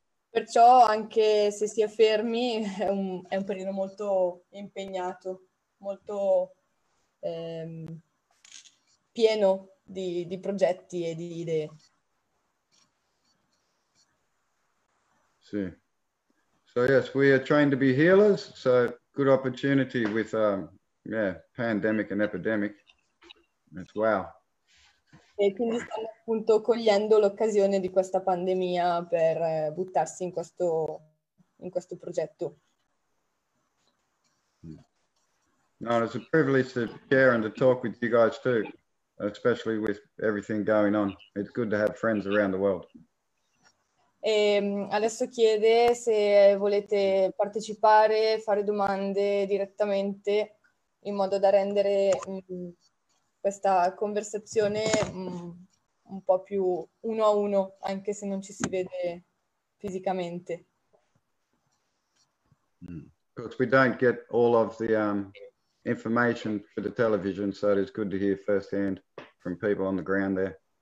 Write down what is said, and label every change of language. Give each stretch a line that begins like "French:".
Italian: Perciò anche se si è fermi è un periodo molto impegnato, molto pieno di progetti e di idee. Sì.
English: So yes, we are trying to be healers, so good opportunity with pandemic and epidemic. That's wow.
Italian: E quindi stanno appunto cogliendo l'occasione di questa pandemia per buttarsi in questo progetto.
English: No, it's a privilege to share and to talk with you guys too, especially with everything going on. It's good to have friends around the world.
Italian: E adesso chiede se volete partecipare, fare domande direttamente in modo da rendere questa conversazione un po' più uno a uno, anche se non ci si vede fisicamente.
English: Because we don't get all of the information for the television, so it's good to hear firsthand from people on the ground there.